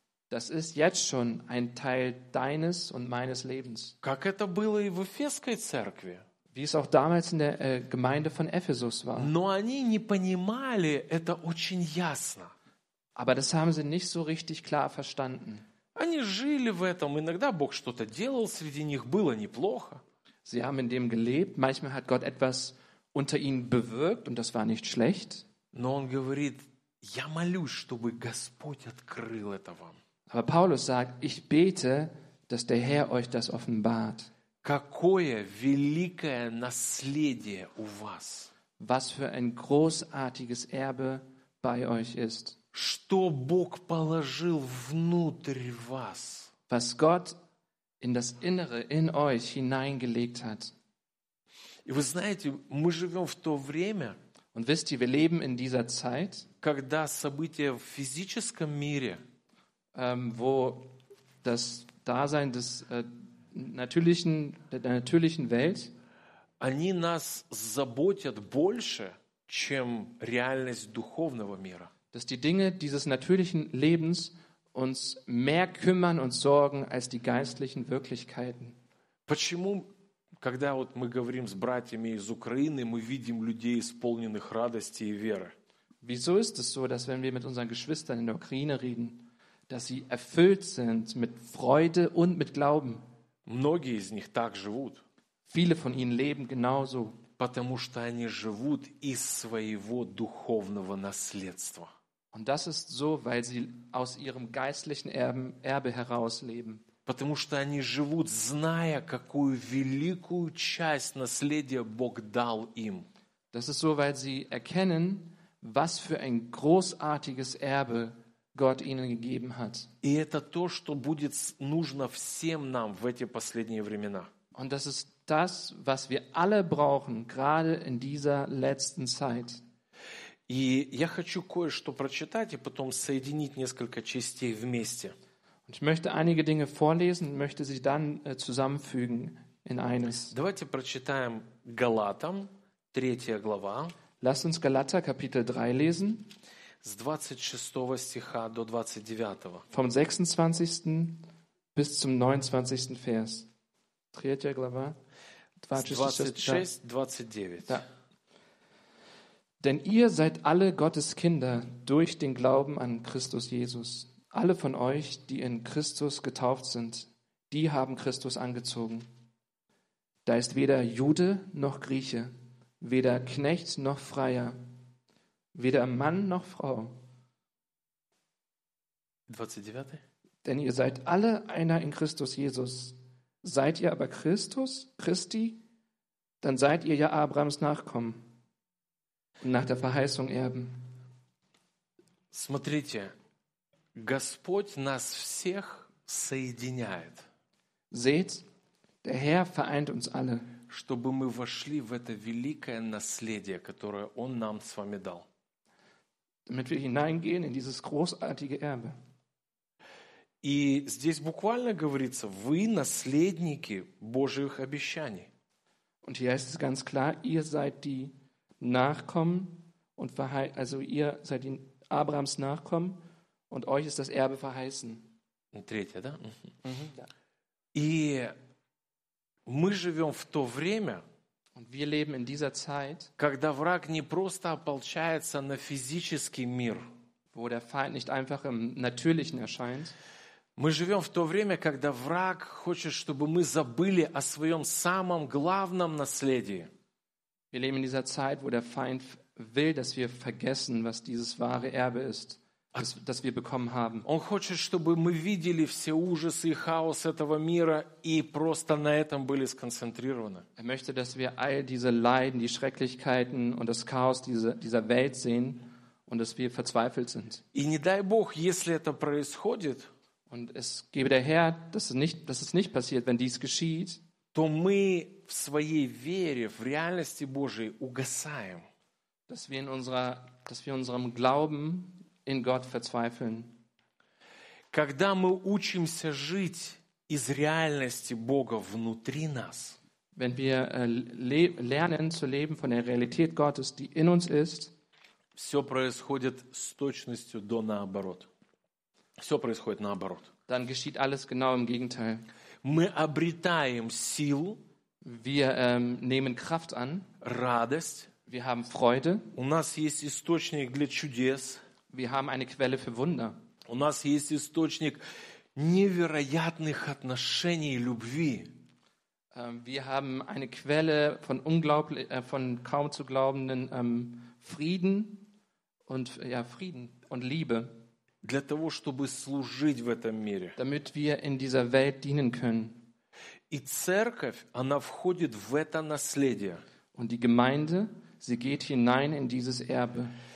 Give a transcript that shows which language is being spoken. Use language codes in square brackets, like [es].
[de] Das ist jetzt schon ein Teil deines und meines Lebens. [ru] Как это было и в Эфесской церкви. [de] Wie es auch damals in der Gemeinde von Ephesus war. [ru] Но они не понимали это очень ясно. [de] Aber das haben sie nicht so richtig klar verstanden. [ru] Они жили в этом. Иногда Бог что-то делал среди них. Было неплохо. [de] Sie haben in dem gelebt. Manchmal hat Gott etwas unter ihnen bewirkt und das war nicht schlecht. [ru] Но он говорит, я молюсь, чтобы Господь открыл это вам. [de] Aber Paulus sagt, ich bete, dass der Herr euch das offenbart. [ru] Какое великое наследие у вас? [de] Was für ein großartiges Erbe bei euch ist? [ru] Что Бог положил внутрь вас? [de] Was Gott in das Innere in euch hineingelegt hat? [ru] И вы знаете, мы живем в то время, [de] und wisst ihr, wir leben in dieser Zeit, [ru] когда события в физическом мире, [de] wo das Dasein des natürlichen Welt, [ru] они нас заботят больше, чем реальность духовного мира. [de] Dass die Dinge dieses natürlichen Lebens uns mehr kümmern und sorgen als die geistlichen Wirklichkeiten. [ru] Почему, когда вот мы говорим с братьями из Украины, мы видим людей, исполненных радости и веры? [de] Wieso ist es so, dass wenn wir mit unseren Geschwistern in der Ukraine reden, dass sie erfüllt sind mit Freude und mit Glauben? [ru] Многие из них так живут. [de] Viele von ihnen leben genauso. [ru] Потому что они живут из своего духовного наследства. [de] Und das ist so, weil sie aus ihrem geistlichen Erbe heraus leben. [ru] Потому что они живут, зная, какую великую часть наследия Бог дал им. [de] Das ist so, weil sie erkennen, was für ein großartiges Erbe Gott ihnen gegeben hat. [ru] И это то, что будет нужно всем нам в эти последние времена. [de] Und das ist das, was wir alle brauchen, gerade in dieser letzten Zeit. [ru] И я хочу кое-что прочитать и потом соединить несколько частей вместе. [de] Und ich möchte einige Dinge vorlesen, möchte sie dann zusammenfügen in eines. [ru] Давайте прочитаем Галатам, 3 глава. [de] Lasst uns Galater Kapitel 3 lesen. [ru] С 26 стиха до 29. [de] Vom 26. bis zum 29. Vers. [ru] 3 глава. 26-29. Да. [de] Denn ihr seid alle Gottes Kinder durch den Glauben an Christus Jesus. Alle von euch, die in Christus getauft sind, die haben Christus angezogen. Da ist weder Jude noch Grieche, weder Knecht noch Freier, weder Mann noch Frau. 29. Denn ihr seid alle einer in Christus Jesus. Seid ihr aber Christi, dann seid ihr ja Abrahams Nachkommen. Nach der Verheißung erben. [ru] Смотрите, Господь нас всех соединяет. [de] Seht, der Herr vereint uns alle, [ru] чтобы мы вошли в это великое наследие, которое Он нам с вами дал. [de] Damit wir hineingehen in dieses großartige Erbe. [ru] И здесь буквально говорится, вы наследники Божьих обещаний. [de] Und hier heißt es ganz klar, ihr seid die Nachkommen und also ihr seid die Abrahams Nachkommen und euch ist das Erbe verheißen. [ru] Третье, да? И мы живем в то время, [de] und wir leben in dieser Zeit, [ru] когда враг не просто ополчается на физический мир, [de] wo der Feind nicht einfach im Natürlichen erscheint. [ru] Мы живем в то время, когда враг хочет, чтобы мы забыли о своем самом главном наследии. [de] Wir leben in dieser Zeit, wo der Feind will, dass wir vergessen, was dieses wahre Erbe ist, das wir bekommen haben. [ru] Он хочет, чтобы мы видели все ужасы и хаос этого мира и просто на этом были сконцентрированы. [de] Er möchte, dass wir all diese Leiden, die Schrecklichkeiten und das Chaos dieser Welt sehen und dass wir verzweifelt sind. [ru] И не дай Бог, если это происходит, [de] und es gebe der Herr, dass es nicht passiert, wenn dies geschieht, [ru] то мы в своей вере, в реальности Божией угасаем. [de] Dass wir in unserem Glauben in Gott verzweifeln. [ru] Когда мы учимся жить из реальности Бога внутри нас, [de] wenn wir lernen zu leben von der Realität Gottes, die in uns ist, [ru] все происходит с точностью до наоборот. Все происходит наоборот. [de] Dann geschieht alles genau im Gegenteil. [ru] Мы обретаем силу. [de] Wir nehmen Kraft an. [ru] Радость. [de] Wir haben Freude. [ru] У нас есть источник для чудес. [de] Wir haben eine Quelle für Wunder. [ru] У нас есть источник невероятных отношений и любви. [de] Wir haben eine Quelle von von kaum zu glaubenden Frieden und ja Frieden und Liebe. [ru] Для того, чтобы служить в этом мире. [de] Damit wir in dieser Welt dienen können. [ru] И церковь, она входит в это наследие. [de] Und die Gemeinde, sie geht hinein in dieses Erbe.